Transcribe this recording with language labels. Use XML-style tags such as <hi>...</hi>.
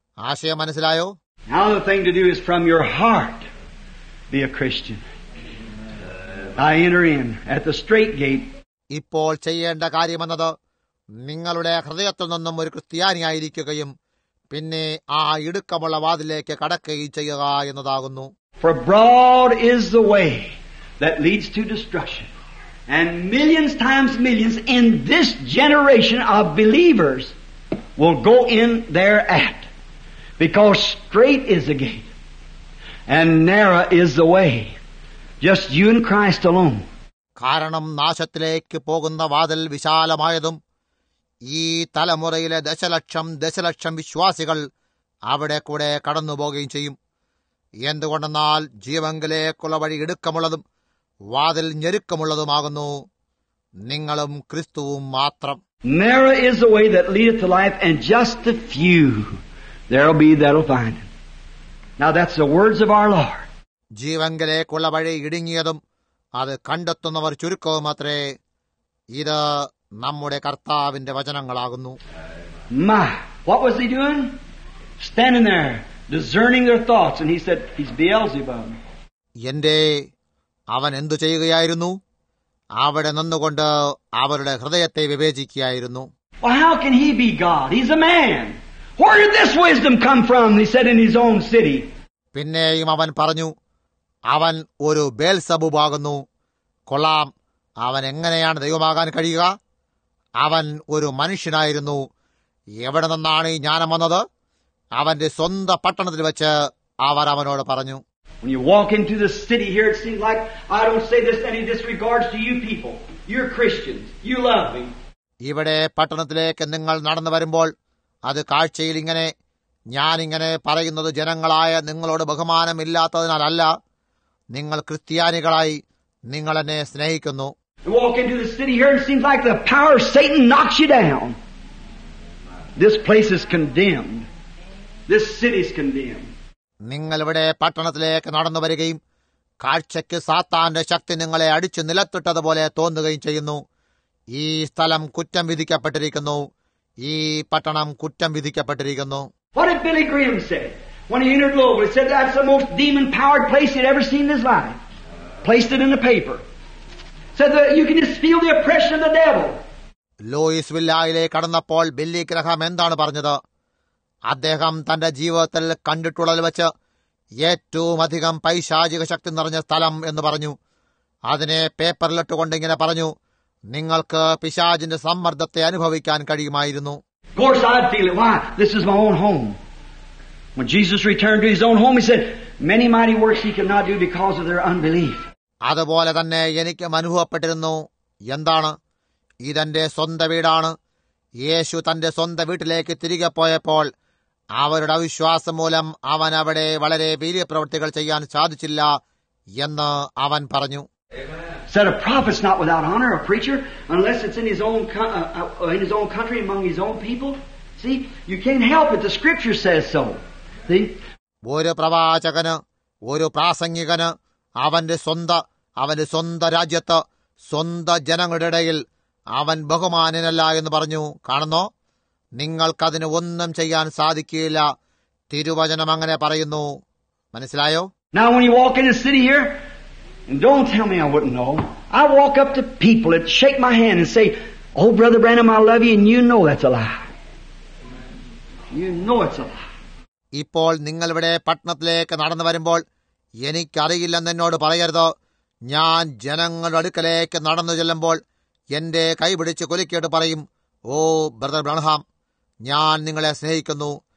<ml>ആശയം മനസ്സിലായോ?</ml> <en>Now the thing to do is from your heart be a Christian. I enter in at the straight gate.</en> <ml>ഇപ്പോൾ ചെയ്യേണ്ട കാര്യമെന്നത് നിങ്ങളുടെ ഹൃദയത്തിൽ നിന്നും ഒരു ക്രിസ്ത്യാനിയായിരിക്കുകയും പിന്നെ ആ ഇടുക്കമുള്ള വാതിലേക്ക് കടക്കുകയും ചെയ്യുക എന്നതാകുന്നു.</ml> <en>For broad is the way that leads to destruction. And millions times millions in this generation of believers will go in thereat. Because straight is the gate and narrow is the way. Just you and Christ alone.</en> <ml>കാരണം നാശത്തിലേക്ക് പോകുന്ന വാതിൽ വിശാലമായതും ഈ തലമുറയിലെ ദശലക്ഷം വിശ്വാസികൾ അവിടെ കൂടെ കടന്നുപോകുകയും ചെയ്യും. എന്തുകൊണ്ടെന്നാൽ ജീവങ്കലേക്കുള്ള വഴി ഇടുക്കമുള്ളതും വാതിൽ ഞെരുക്കമുള്ളതുമാകുന്നു. നിങ്ങളും ക്രിസ്തുവും മാത്രം.</ml> <en>Narrow is the way that leadeth to life, and just a few there'll be that'll find it. Now that's the words of our Lord.</en> <ml>ജീവങ്കലേക്കുള്ള വഴി ഇടുങ്ങിയതും അത് കണ്ടെത്തുന്നവർ ചുരുക്കവും മാത്രമേ. ഇത് നമ്മുടെ കർത്താവിന്റെ വചനങ്ങളാകുന്നു.</ml> <en>What was he doing? Standing there, discerning their thoughts, and he said, he's Beelzebub.</en> <ml>എന്റെ അവൻ എന്തു ചെയ്യുകയായിരുന്നു? അവിടെ നിന്നുകൊണ്ട് അവരുടെ ഹൃദയത്തെ വിവേചിക്കുകയായിരുന്നു.</ml> <en>How can he be God? He's a man. Where did this wisdom come from? He said, in his own city.</en> <ml>പിന്നെയും അവൻ പറഞ്ഞു, അവൻ ഒരു ബേൽസബൂബ് ആകുന്നു, കൊള്ളാം. അവൻ എങ്ങനെയാണ് ദൈവമാകാൻ കഴിയുക? അവൻ ഒരു മനുഷ്യനായിരുന്നു. എവിടെ നിന്നാണ് ഈ ജ്ഞാനം വന്നത്? അവന്റെ സ്വന്തം പട്ടണത്തിൽ വെച്ച് അവർ അവനോട് പറഞ്ഞു.</ml> <en>When you walk into the city here, it seems like I don't say this any disregards to you people. You're Christians. You love me.</en> <ml>ഇവിടെ പട്ടണത്തിലേക്ക് നിങ്ങൾ നടന്നു വരുമ്പോൾ അത് കാഴ്ചയിൽ ഇങ്ങനെ ഞാൻ ഇങ്ങനെ പറയുന്നത് ജനങ്ങളായ നിങ്ങളോട് ബഹുമാനമില്ലാത്തതിനാലല്ല. നിങ്ങൾ ക്രിസ്ത്യാനികളായി നിങ്ങൾ എന്നെ സ്നേഹിക്കുന്നു.</ml> <en>You walk into the city here, it seems like the power of Satan knocks you down. This place is condemned. This city is condemned.</en> <ml>നിങ്ങൾ ഇവിടെ പട്ടണത്തിലേക്ക് നടന്നു വരികയും കാഴ്ചയ്ക്ക് സാത്താന്റെ ശക്തി നിങ്ങളെ അടിച്ചു നിലത്തിട്ടതുപോലെ തോന്നുകയും ചെയ്യുന്നു. ഈ സ്ഥലം കുറ്റം വിധിക്കപ്പെട്ടിരിക്കുന്നു. ഈ പട്ടണം കുറ്റം വിധിക്കപ്പെട്ടിരിക്കുന്നു.</ml> <en>What did Billy Graham say when he entered Louisville? He said that's the most demon-powered place he'd ever seen in his life. Placed it in the paper. Said that you can just feel the oppression of the devil.</en> <ml>ലൂയിസ്വില്ലായിലെ കടന്നപ്പോൾ Billy Graham എന്താണ് പറഞ്ഞത്? അദ്ദേഹം തന്റെ ജീവിതത്തിൽ കണ്ടിട്ടുള്ളതിൽ വെച്ച് ഏറ്റവും അധികം പൈശാചിക ശക്തി നിറഞ്ഞ സ്ഥലം എന്ന് പറഞ്ഞു. അതിനെ പേപ്പറിലിട്ടുകൊണ്ട് ഇങ്ങനെ പറഞ്ഞു, നിങ്ങൾക്ക് പിശാചിന്റെ സമ്മർദ്ദത്തെ അനുഭവിക്കാൻ കഴിയുമായിരുന്നു.</ml> <en>Of course I feel it. Why? This is my own home. When Jesus returned to his own home, he said many mighty works he could not do because of their unbelief.</en> <ml>അതുപോലെ തന്നെ എനിക്ക് അനുഭവപ്പെട്ടിരുന്നു. എന്താണ്? ഇതെന്റെ സ്വന്തം വീടാണ്. യേശു തന്റെ സ്വന്തം വീട്ടിലേക്ക് തിരികെ പോയപ്പോൾ അവരുടെ അവിശ്വാസം മൂലം അവൻ അവിടെ വളരെ വീര്യപ്രവൃത്തികൾ ചെയ്യാൻ സാധിച്ചില്ല എന്ന് അവൻ പറഞ്ഞു.</ml> <en>Said a prophet's not without honor, a preacher, unless it's in his own country, among his own people. See, you can't help it. The scripture says so. See?</en> <ml>ഒരു പ്രവാചകന്, ഒരു പ്രാസംഗികന് അവന്റെ സ്വന്ത രാജ്യത്ത് സ്വന്തം ജനങ്ങളുടെ ഇടയിൽ അവൻ ബഹുമാനനല്ല എന്ന് പറഞ്ഞു. കാണുന്നോ? നിങ്ങൾക്കതിന് ഒന്നും ചെയ്യാൻ സാധിക്കുകയില്ല. തിരുവചനം അങ്ങനെ പറയുന്നു. മനസ്സിലായോ?</ml> <en>Now when you walk in the city here, and don't tell me I wouldn't know. I walk up to people and shake my hand and say, oh, Brother Branham, I love you, and you know that's a lie. You know it's a lie.</en> <ml>ഇപ്പോൾ നിങ്ങൾ ഇവിടെ പട്ടണത്തിലേക്ക് നടന്നു വരുമ്പോൾ എനിക്കറിയില്ലെന്ന് എന്നോട് പറയരുത്. ഞാൻ ജനങ്ങളുടെ അടുക്കലേക്ക് നടന്നു ചെല്ലുമ്പോൾ എന്റെ കൈപിടിച്ച് കൊലിക്കേട്ട് പറയും, ഓ ബ്രദർ ബ്രൺഹാം, ഞാൻ നിങ്ങളെ സ്നേഹിക്കുന്നു.</ml>